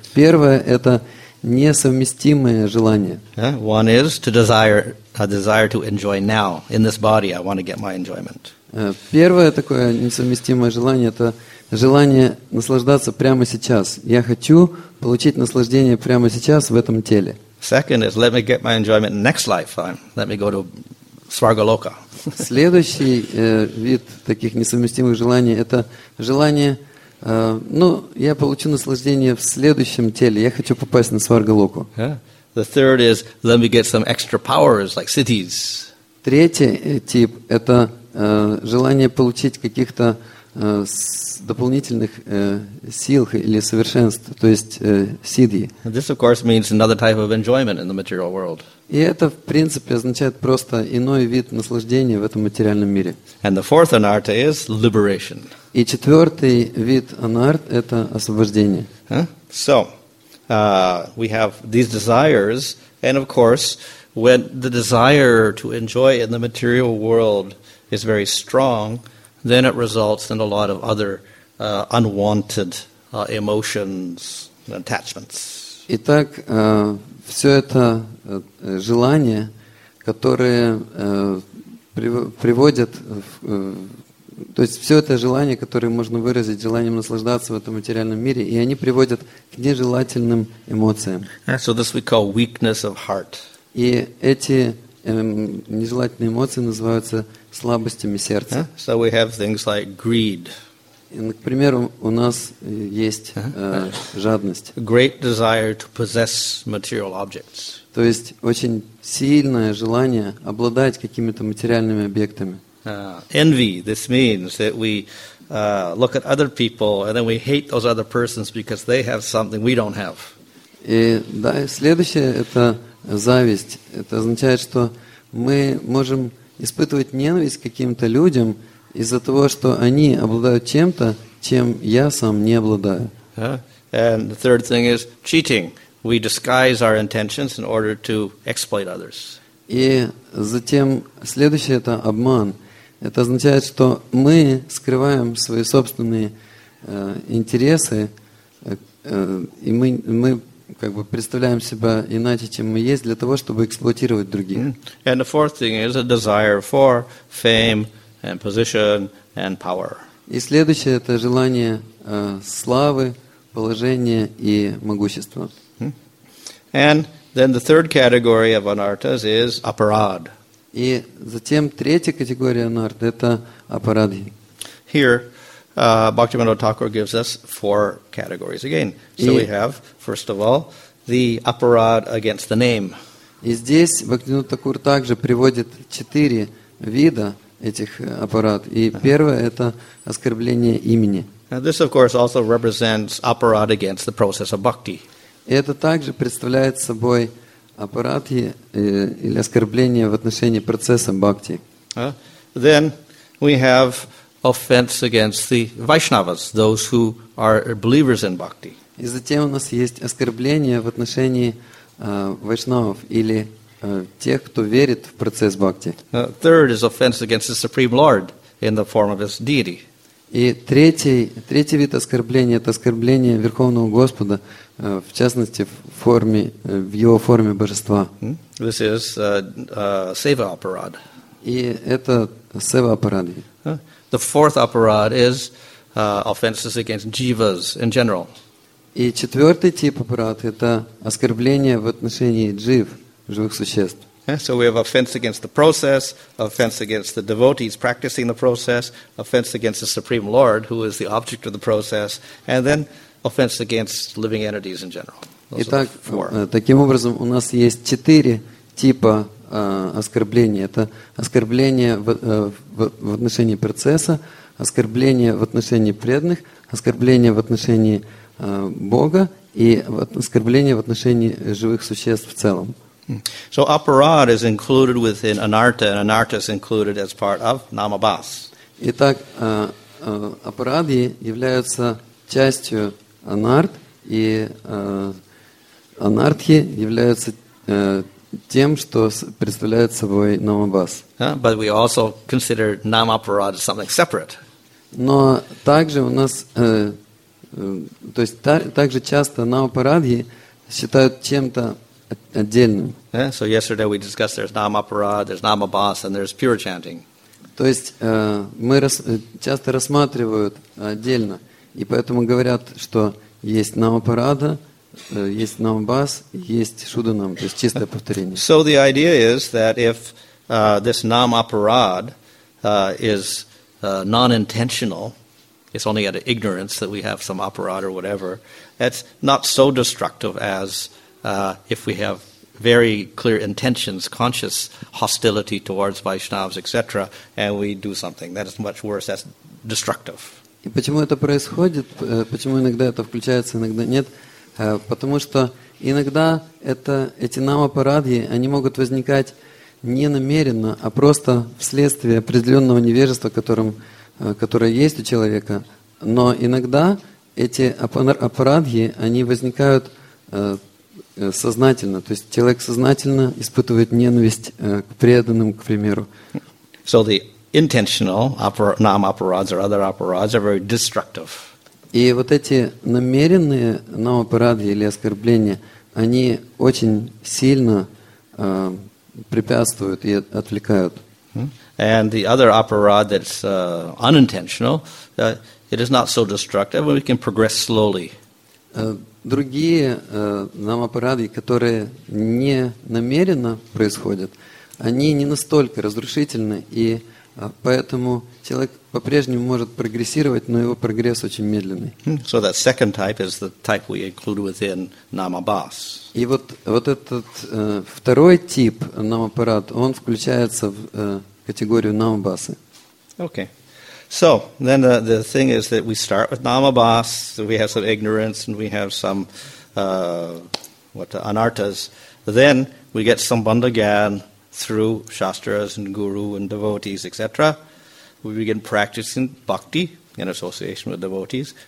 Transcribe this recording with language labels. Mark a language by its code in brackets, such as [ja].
[ru] Первое это несовместимые желания. [en] Yeah. One is to desire a desire to enjoy now in this body. I want to get my enjoyment. [ru] Первое такое несовместимое желание это желание наслаждаться прямо сейчас. Я хочу получить наслаждение прямо сейчас в этом теле. [en] Second is let me get my enjoyment next life. Let me go to Svargaloka. [ru] Следующий вид таких несовместимых желаний это желание, я получу наслаждение в следующем теле. Я хочу попасть на Сваргалоку. [en] The third is let me get some extra powers like cities. [ru] Третий тип это желание получить каких-то дополнительных сил или совершенств, то есть сиддхи. [en] This, of course, means another type of enjoyment in the material world. [ru] И это, в принципе, означает просто иной вид наслаждения в этом материальном мире. [en] And the fourth anartha is liberation. [ru] И четвертый вид анарт – это освобождение. [en] So, we have these desires, and, of course, when the desire to enjoy in the material world is very strong, then it results in a lot of other unwanted emotions and attachments. [ru] Итак, все это желание, которое приводит, то есть все это желание, которое можно выразить желанием наслаждаться в этом материальном мире, и они приводят к нежелательным эмоциям. [en] So this we call weakness of heart. [ru] И эти нежелательные эмоции называются слабостями сердца. [en] So we have things like greed. [ru] Например, у нас есть жадность. [en] Great desire to possess material objects. [ru] То есть очень сильное желание обладать какими-то материальными объектами. [en] envy. This means that we look at other people and then we hate those other persons because they have something we don't have. [ru] И да, и следующее – это зависть. Это означает, что мы можем испытывать ненависть к каким-то людям из-за того, что они обладают чем-то, чем я сам не обладаю. [en] And the third thing is cheating. We disguise our intentions in order to exploit others. [ru] И затем следующее – это обман. Это означает, что мы скрываем свои собственные интересы, и мы как бы представляем себя иначе, чем мы есть, для того, чтобы эксплуатировать других. [en] And the fourth thing is a desire for fame and position and power. [ru] И следующее – это желание славы, положения и могущества. [en] And then the third category of anarthas is aparad. [ru] И затем третья категория анарта – это апарадхи. [en] Here, Bhaktivinoda Thakur gives us four categories again. So we have, first of all, the aparad against the name. [ru] И здесь Бхактивинода Такур также приводит четыре вида этих апарад. И первое – это оскорбление имени. [en] Now this, of course, also represents aparad against the process of bhakti. [ru] Это также представляет собой аппарат или оскорбление в отношении процесса бхакти. [en] Then we have offense against the Vaishnavas, those who are believers in bhakti. [ru] И затем у нас есть оскорбление в отношении вайшнавов или тех, кто верит в процесс бхакти. [en] Third is offense against the Supreme Lord in the form of his deity. [ru] И третий вид оскорбления – это оскорбление Верховного Господа, в частности, в его форме божества. [en] This is seva aparad. [ru] И это seva aparad. [en] The fourth aparad is offenses against jivas in general. [ru] И четвертый тип аппарат – это оскорбление в отношении джив, живых существ. [en] So we have offense against the process, offense against the devotees practicing the process, offense against the Supreme Lord, who is the object of the process, and then offense against living entities in general. Those [ru] Итак, таким образом, у нас есть четыре типа оскорблений. Это оскорбление в отношении процесса, оскорбление в отношении преданных, оскорбление в отношении Бога и оскорбление в отношении живых существ в целом. [en] So aparad is included within anartha, and anartha is included as part of namabhas. [ru] Итак, апарадхи являются частью анарт, и анартхи являются тем, что представляет собой намабас. [en] But we also consider namaparad something separate. [ru] Но также у нас, то есть также часто намапарадхи считают чем-то отдельным. [en] Yeah, so yesterday we discussed there's namaparad, there's namabhas, and there's pure chanting. [ru] То есть мы часто рассматривают отдельно, и поэтому говорят, что есть намапарада, есть намабас, есть шуданам, то есть чистое повторение. [en] So the idea is that if this namaparad is non-intentional, it's only out of ignorance that we have some aparad or whatever, that's not so destructive as if we have very clear intentions, conscious hostility towards Vaishnavas, etc., and we do something. That is much worse, that's destructive. [ru] И почему это происходит, почему иногда это включается, иногда нет? Потому что иногда эти намапарадхи, они могут возникать не намеренно, а просто вследствие определенного невежества, которое есть у человека. Но иногда эти апарадхи, они возникают сознательно, то есть человек сознательно испытывает ненависть к преданным, к примеру. [en] So the intentional namaparads or other aparads are very destructive. [ru] И вот эти намеренные намапарадхи или оскорбления, они очень сильно препятствуют и отвлекают. [en] And the other aparad that's unintentional, it is not so destructive, but we can progress slowly. [ru] Другие намапарадхи, которые не намеренно происходят, они не настолько разрушительны, и поэтому человек по-прежнему может прогрессировать, но его прогресс очень медленный. [en] So that second type is the type we include within namabhas. [ru] И вот этот второй тип намапарад, он включается в категорию намабасы. [en] Okay. So then the thing is that we start with Nama Bas, we have some ignorance, and we have some anartas. Then we get some Sambandhagyan through Shastras and Guru and devotees, etc. We begin practicing bhakti in association with devotees.